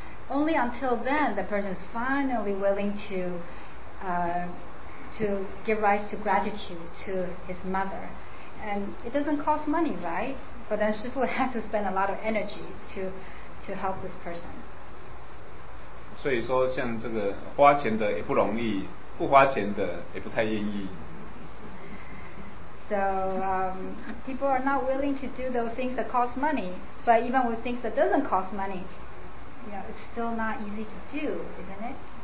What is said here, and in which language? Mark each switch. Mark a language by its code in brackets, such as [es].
[en] Only until then, the person is finally willing to give rise to gratitude to his mother. And it doesn't cost money, right? But then Shi Fu had to spend a lot of energy to help this person. [zh] 所以说像这个花钱的也不容易，不花钱的也不太愿意。 [en] So people are not willing to do those things that cost money, but even with things that doesn't cost money, you know, it's still not easy to do, isn't it?